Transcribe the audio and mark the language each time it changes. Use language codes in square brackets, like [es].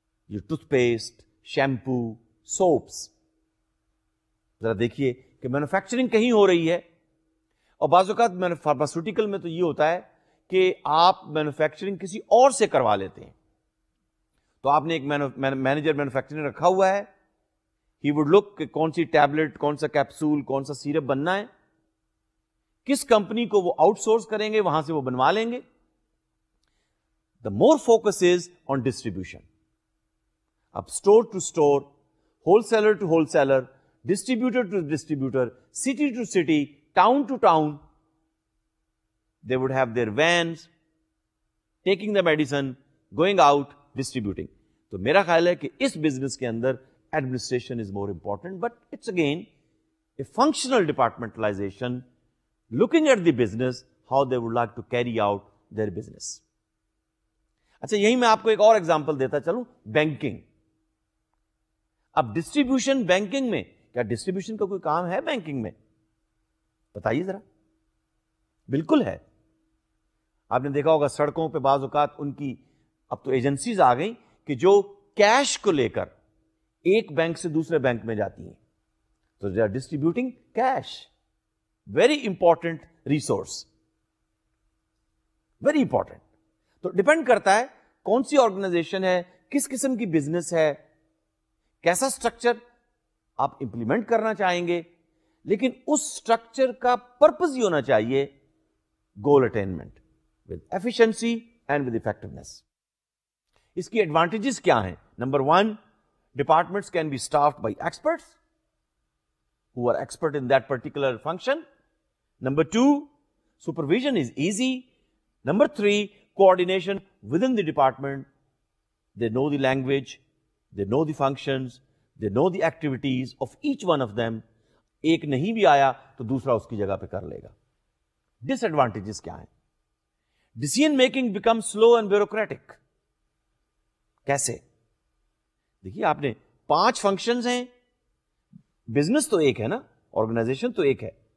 [ur] یہ tooth paste, shampoo, soaps. ذرا دیکھیے کہ مینوفیکچرنگ کہیں ہو رہی ہے, اور بعض اوقات فارماسیوٹیکل میں تو یہ ہوتا ہے کہ آپ مینوفیکچرنگ کسی اور سے کروا لیتے ہیں. تو آپ نے ایک مینیجر مینوفیکچرنگ رکھا ہوا ہے, [en] he would look [ur] کہ کون سی ٹیبلٹ, کون سا کیپسول, کون سا سیرپ بننا ہے, کس کمپنی کو وہ آؤٹ سورس کریں گے, وہاں سے وہ بنوا لیں گے. [en] The more focus is on distribution. اب store to store, wholesaler to wholesaler, distributor to distributor, city to city, town to town, they would have their vans, taking the medicine, going out, distributing. [ur] تو میرا خیال ہے کہ اس business کے اندر [en] administration is more important, but it's again a functional departmentalization, looking at the business, how they would like to carry out their business. [ur] اچھا یہی میں آپ کو ایک اور ایگزامپل دیتا چلوں, بینکنگ. اب ڈسٹریبیوشن بینکنگ میں, کیا ڈسٹریبیوشن کا کوئی کام ہے بینکنگ میں؟ بتائیے ذرا. بالکل ہے. آپ نے دیکھا ہوگا سڑکوں پہ بعض اوقات ان کی اب تو ایجنسیز آ گئیں کہ جو کیش کو لے کر ایک بینک سے دوسرے بینک میں جاتی ہیں. [en] تو they are distributing cash, very important resource, very important. [ur] تو ڈپینڈ کرتا ہے کون سی آرگنائزیشن ہے, کس قسم کی بزنس ہے, کیسا سٹرکچر آپ امپلیمنٹ کرنا چاہیں گے, لیکن اس سٹرکچر کا پرپز ہی ہونا چاہیے goal attainment [en] with efficiency and with effectiveness. [ur] اس کی ایڈوانٹیجز کیا ہیں؟ [en] Number one, departments can be staffed by experts who are expert in that particular function. Number two, supervision is easy. Number three, coordination within the department, they know the language, they know the functions, they know the activities of each one of them. [ur] ایک نہیں بھی آیا تو دوسرا اس کی جگہ پہ کر لے گا. ڈس ایڈوانٹیجز کیا ہیں؟ [en] Decision making become slow and bureaucratic. [ur] کیسے؟ دیکھیے آپ نے پانچ فنکشنز ہیں, بزنس تو ایک ہے نا, آرگنائزیشن تو ایک ہے.